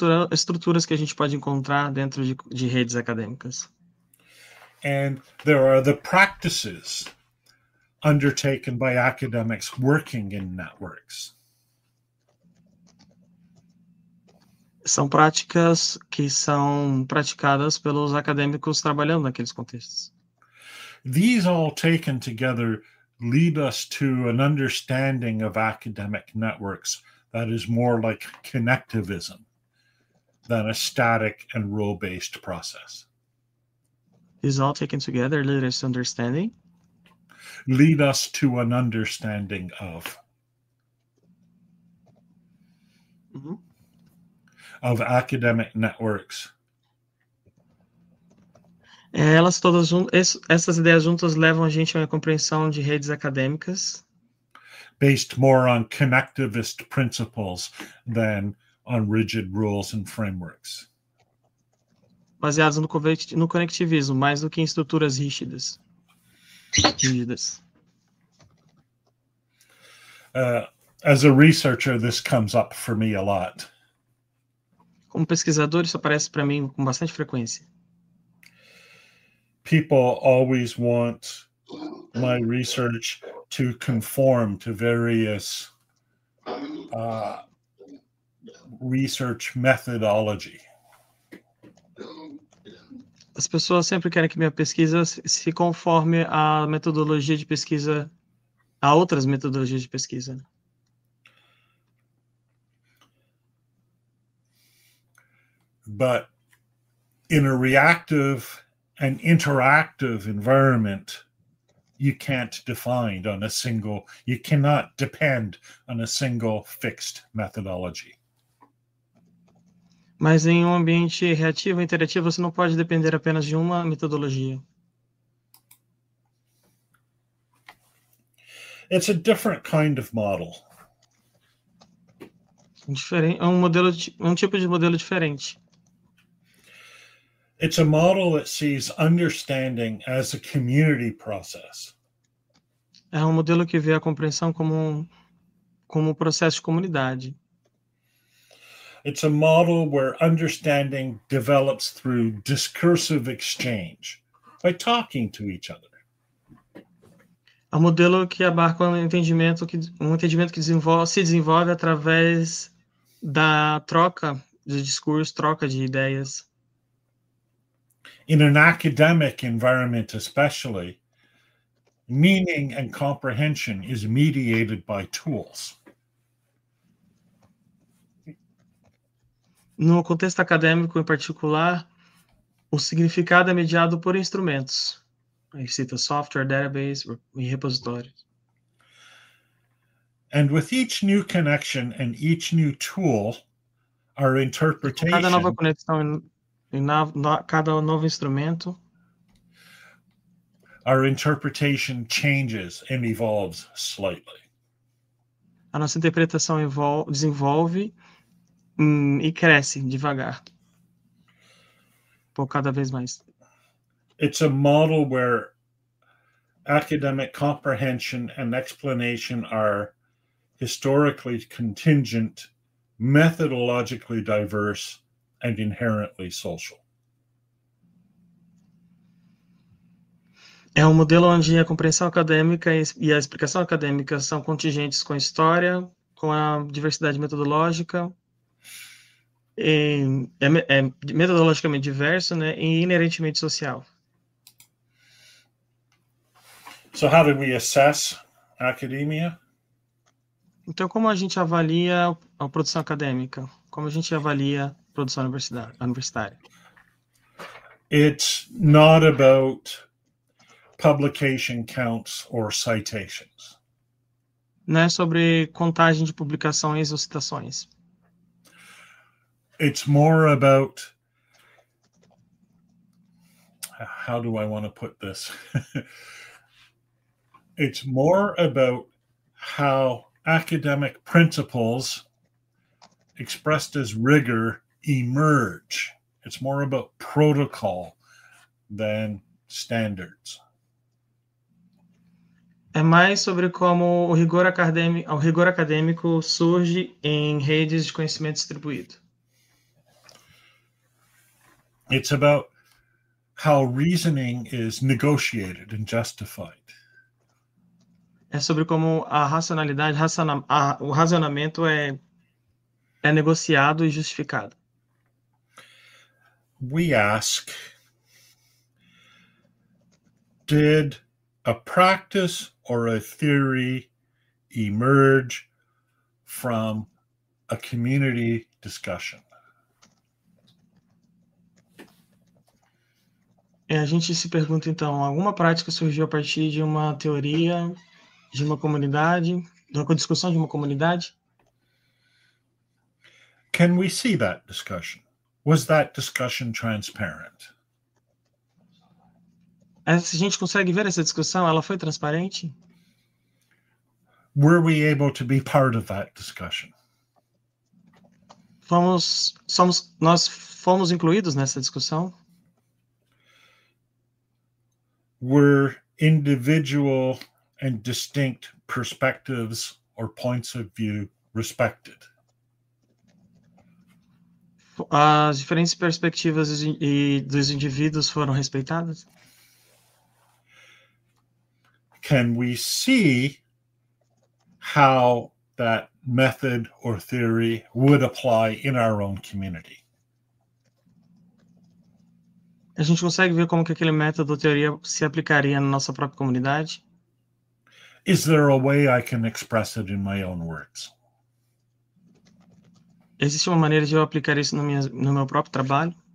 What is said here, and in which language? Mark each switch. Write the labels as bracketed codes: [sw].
[pt] Estruturas que a gente pode encontrar dentro de redes acadêmicas. [en] And there are the practices undertaken by academics working in networks. [pt] São práticas que são praticadas pelos acadêmicos trabalhando naqueles contextos. [en] These all taken together lead us to an understanding of academic networks that is more like connectivism than a static and rule-based process. Is all taken together, lead us to understanding. Lead us to an understanding of academic networks. [pt] Elas todas juntas, essas ideias juntas levam a gente a uma compreensão de redes acadêmicas. [en] Based more on connectivist principles than on rigid rules and frameworks. [pt] Baseados no conectivismo, mais do que em estruturas rígidas. [en] As a researcher, this comes up for me a lot. [pt] Como pesquisador, isso aparece para mim com bastante frequência. [en] People always want my research to conform to various research methodology. [pt] As pessoas sempre querem que minha pesquisa se conforme à metodologia de pesquisa, a outras metodologias de pesquisa. [en] But in a reactive and interactive environment, you can't define on a single, you cannot depend on a single fixed methodology. [pt] Mas em um ambiente reativo, interativo, você não pode depender apenas de uma metodologia. [en] It's a different kind of model. [pt] Diferente, um tipo de modelo diferente. [en] It's a model that sees understanding as a community process. [pt] É um modelo que vê a compreensão como um processo de comunidade. [en] It's a model where understanding develops through discursive exchange, by talking to each other. [pt] É um modelo que abarca um entendimento que se desenvolve através da troca de discurso, troca de ideias. [en] in an academic environment especially, meaning and comprehension is mediated by tools. [pt] No contexto acadêmico em particular, o significado é mediado por instrumentos. Aí cita software, database e repositórios. [en] And with each new connection and each new tool, our interpretation... [pt] Cada nova conexão e cada novo instrumento... [en] Our interpretation changes and evolves slightly. [pt] A nossa interpretação desenvolve e cresce devagar. Por cada vez mais. [en] It's a model where academic comprehension and explanation are historically contingent, methodologically diverse, and inherently social. [pt] É um modelo onde a compreensão acadêmica e a explicação acadêmica são contingentes com a história, com a diversidade metodológica, é metodologicamente diverso, né, e inerentemente social. [en] So how do we assess academia? [pt] Então, como a gente avalia a produção acadêmica? Como a gente avalia a produção universitária? [en] It's not about publication counts or citations. [pt] Não é sobre contagem de publicações ou citações. [en] It's more about, how do I want to put this? It's more about how academic principles expressed as rigor emerge. It's more about protocol than standards. [pt] É mais sobre como o rigor acadêmico surge em redes de conhecimento distribuído. [en] It's about how reasoning is negotiated and justified. [pt] É sobre como a racionalidade, o razoamento é negociado e justificado. [en] We ask, did a practice or a theory emerge from a community discussion? [pt] E a gente se pergunta, então, alguma prática surgiu a partir de uma teoria, de uma comunidade, de uma discussão de uma comunidade? [en] Can we see that discussion? Was that discussion transparent? [pt] Se a gente consegue ver essa discussão, ela foi transparente? [en] Were we able to be part of that discussion? [pt] Nós fomos incluídos nessa discussão? [en] Were individual and distinct perspectives or points of view respected? [pt] As diferentes perspectivas dos indivíduos foram respeitadas? [en] Can we see how that method or theory would apply in our own community? [pt] A gente consegue ver como que aquele método ou teoria se aplicaria na nossa própria comunidade? [en] Is there a way I can express it in my own words? [pt] Existe uma maneira de eu aplicar isso no meu próprio trabalho?